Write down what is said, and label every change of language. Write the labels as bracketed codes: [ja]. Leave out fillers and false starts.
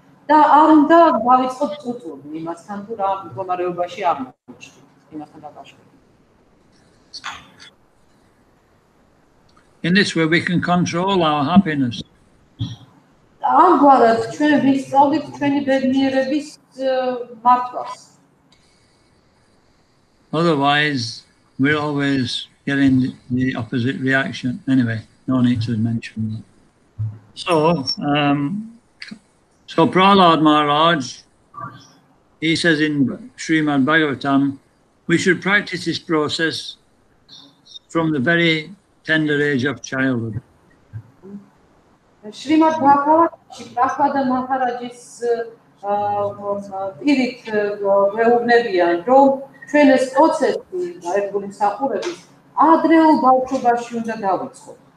[ka] და არ უნდა გავიწყოთ კულტურა იმასთან თუ რა მდგომარეობაში აღმოჩნდა იმასთან დაკავშირებით. [en] In this way we can control our happiness. [ka] ამგვარად ჩვენ ვისწავლით ჩვენი ბედნიერების მართვას. [en] Otherwise we're always getting the opposite reaction anyway. No need to mention that. So Prahlad Maharaj, he says in Srimad Bhagavatam, we should practice this process from the very tender age of childhood. [ka] Srimad Bhagavatamში Prahlada Maharajis პირით გვეუბნებიან, რომ ჩვენ ეს პროცესი ერთგული მსახურების ადრეულ ბავშვობაში უნდა დავიწყოთ.